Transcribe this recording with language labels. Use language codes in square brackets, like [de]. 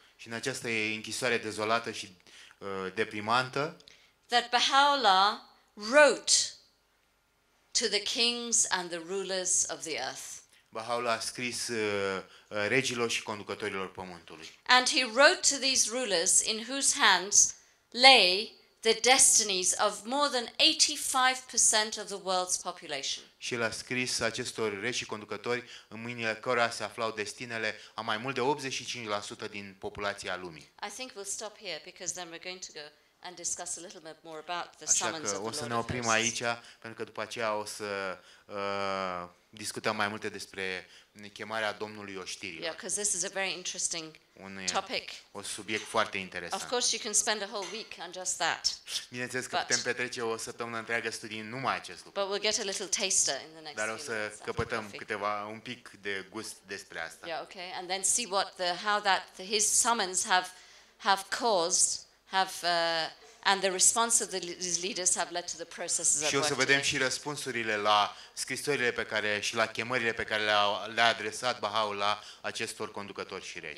[ro] Și în această închisoare dezolată și deprimantă. [en] That Baha'u'llah wrote to the kings and the rulers of the earth. [ro] Baha'u'llah a scris regilor și conducătorilor pământului. [en] And he wrote to these rulers in whose hands lay the destinies of more than 85% of the world's population. [ro] Și el a scris acestor regi și conducători în mâinile cărora se aflau destinele a mai mult de 85% din populația lumii. [en] I think we'll stop here because then we're going to go and discuss a little bit more about the summons of the Lord. [ro] O să ne oprim aici pentru că după aceea o să discutăm mai multe despre chemarea Domnului oștirilor. [en] Yeah, because this is a very interesting topic. [ro] Un subiect foarte interesant. [en] Of course you can spend a whole week on just that. [ro] Bineînțeles că putem petrece o săptămână întreagă studiind numai acest lucru. [en] But we'll get a little taster in the next. [ro] Dar o să căpătăm câteva un pic de gust despre asta. [en] Yeah, okay. And then see what how his summons have caused and the response of these leaders have led to the processes of. [ro] Și o să vedem și răspunsurile la scrisorile pe care și la chemările pe care le-a adresat Baha'u'llah acestor conducători și regi.